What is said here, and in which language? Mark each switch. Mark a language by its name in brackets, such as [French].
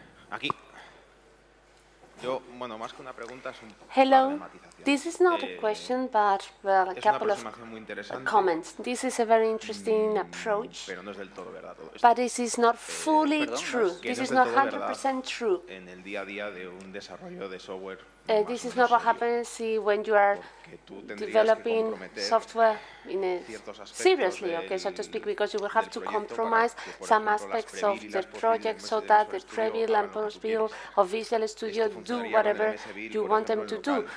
[Spanish] Aquí. Yo, bueno, más que una pregunta es un [English] Hello. This is not a question, but well, a couple of comments. This is a very interesting approach. [Spanish] Pero no es del todo verdad todo esto. [English] But this is not fully true. This is not 100% true. [Spanish] En el día a día de un desarrollo de software. [English] This is not what happens when you are developing software in a seriously, okay, so to speak, because you will have to compromise some aspects of the project so that the Preville and Post Build of Visual Studio do whatever you want them to do.